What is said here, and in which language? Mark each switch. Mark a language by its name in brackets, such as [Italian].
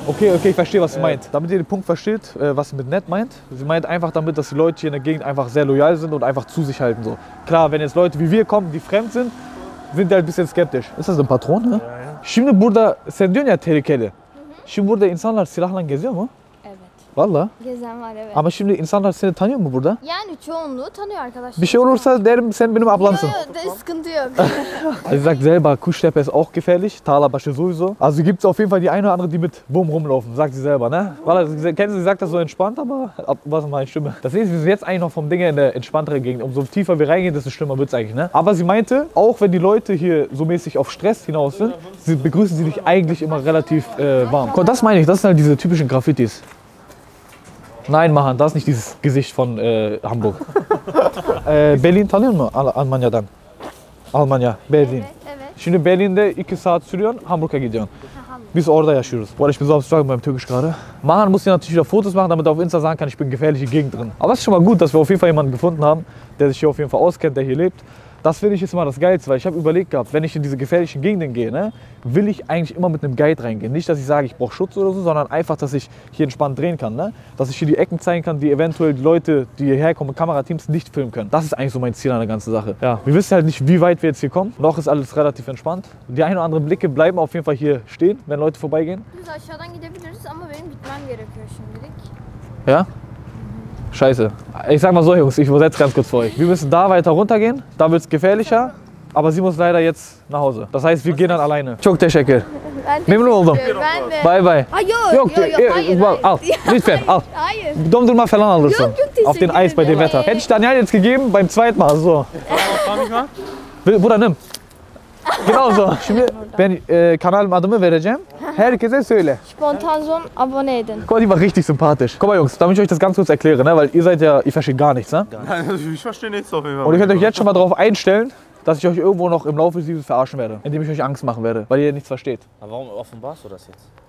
[German] Okay, ich verstehe, was sie meint. Damit ihr den Punkt versteht, was sie mit nett meint. Sie meint einfach damit, dass die Leute hier in der Gegend einfach sehr loyal sind und einfach zu sich halten. So. Klar, wenn jetzt Leute wie wir kommen, die fremd sind, sind die halt ein bisschen skeptisch. Ist das ein Patron, ne? [Turkish] Şimdi burada sen diyorsun ya tehlikeli. Şimdi burada insanlar silahla geziyor mu? Vallahi. Gezen var evet. Ama şimdi insanlar seni tanıyor mu burada? Yani çoğunluğu tanıyor arkadaşlar. Bir şey olursa derim sen benim ablamsın. Yok, sıkıntı yok. [German] Also ich sag selber, Kuştepe ist auch gefährlich, Talabasche sowieso. Also gibt es auf jeden Fall die eine oder andere, die mit Wurm rumlaufen, sagt sie selber, ne? Vallahi, kennst du, sie sagt das so entspannt, aber was meine Stimme. Das ist, wir sind jetzt eigentlich noch vom Ding her in der entspannteren Gegend. Umso tiefer wir reingehen, desto schlimmer wird es eigentlich, ne? Aber sie meinte, auch wenn die Leute hier so mäßig auf Stress hinaus sind, sie begrüßen sie dich eigentlich immer relativ warm. Guck, das meine ich, das sind halt diese typischen Graffitis. Nein, machen, das ist nicht dieses Gesicht von Hamburg. [Turkish] Berlin, tanıyor mu Almanya'dan? Almanya, Berlin. Evet, evet. Şimdi Berlin'de 2 saat sürüyorsun, Hamburg'a gidiyorsun. Biz orada yaşıyoruz. Bu arada [German] ich bin so abstrakt mit meinem Türkisch gerade. Mahan muss hier natürlich wieder Fotos machen, damit er auf Insta sagen kann, ich bin in gefährliche Gegend drin. Aber es ist schon mal gut, dass wir auf jeden Fall jemanden gefunden haben, der sich hier auf jeden Fall auskennt, der hier lebt. Das finde ich jetzt mal das Geilste, weil ich habe überlegt gehabt, wenn ich in diese gefährlichen Gegenden gehe, ne, will ich eigentlich immer mit einem Guide reingehen. Nicht, dass ich sage, ich brauche Schutz oder so, sondern einfach, dass ich hier entspannt drehen kann. Ne? Dass ich hier die Ecken zeigen kann, die eventuell die Leute, die hierher kommen, Kamerateams nicht filmen können. Das ist eigentlich so mein Ziel an der ganzen Sache. Ja, wir wissen halt nicht, wie weit wir jetzt hier kommen. Noch ist alles relativ entspannt. Die ein oder anderen Blicke bleiben auf jeden Fall hier stehen, wenn Leute vorbeigehen. [Turkish] Biz aşağıdan gidebiliriz, ama benim gitmem gerekiyor şimdilik. [German] Ja? Scheiße. Ich sag mal so, Jungs, ich übersetze ganz kurz für euch. Wir müssen da weiter runtergehen, da wird es gefährlicher, aber sie muss leider jetzt nach Hause. Das heißt, wir gehen dann alleine. [Turkish] Çok teşekkür. Memnun oldum. Ben de. Bay bay. Yok, hayır. Al, lütfen al. Hayır. Dondurma falan alırsın. Yok, teşekkür ederim. [German] Auf den Eisbeutel. Hätte ich Daniel jetzt gegeben beim zweiten Mal, so. [Turkish] Buranın. Genau so. Şimdi ben kanalım adımı vereceğim. Herkese söyle. [German] Spontan so ein Abonne [Turkish] edin. [German] Guck mal, die war richtig sympathisch. Guck mal, Jungs, damit ich euch das ganz kurz erkläre, ne? Weil ihr seid ja, ihr versteht gar nichts, ne? Ich verstehe nichts auf jeden Fall. Und ihr könnt euch jetzt schon mal darauf einstellen, dass ich euch irgendwo noch im Laufe des Videos verarschen werde. Indem ich euch Angst machen werde, weil ihr nichts versteht. Aber warum offenbarst du das jetzt?